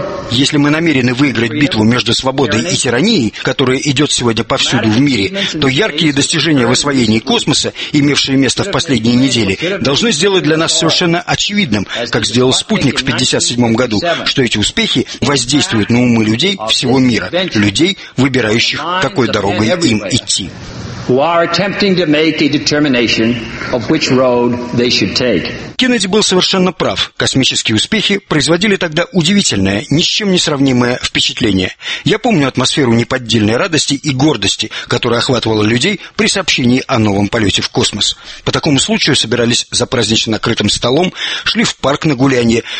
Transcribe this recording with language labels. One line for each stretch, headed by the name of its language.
Russian: Если мы намерены выиграть битву между свободой и тиранией, которая идет сегодня повсюду в мире, то яркие достижения в освоении космоса, имевшие место в последние недели, должны сделать для нас совершенно очевидным, как сделал спутник в 1957 году, что эти успехи воздействуют на умы людей всего мира, людей, выбирающих, какой дорогой им идти.
English: Who are attempting to make a determination of which road they should take.
Russian: Кеннеди был совершенно прав. Космические успехи производили тогда удивительное, ни с чем не сравнимое впечатление. Я помню атмосферу неподдельной радости и гордости, которая охватывала людей при сообщении о новом полете в космос. По такому случаю собирались за празднично накрытым столом, шли в парк на гулянье.